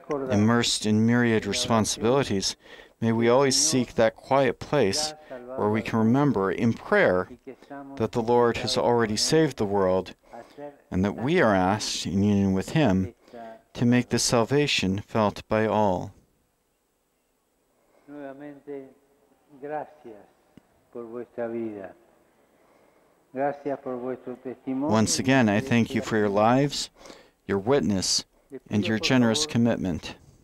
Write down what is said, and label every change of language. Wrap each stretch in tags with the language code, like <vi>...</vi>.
<en>Immersed in myriad responsibilities, may we always seek that quiet place where we can remember in prayer that the Lord has already saved the world and that we are asked, in union with Him, to make the salvation felt by all.</en> <es>Nuevamente, gracias por vuestra vida. Gracias por vuestro testimonio.</es> <en>Once again, I thank you for your lives, your witness,and your generous commitment.</en>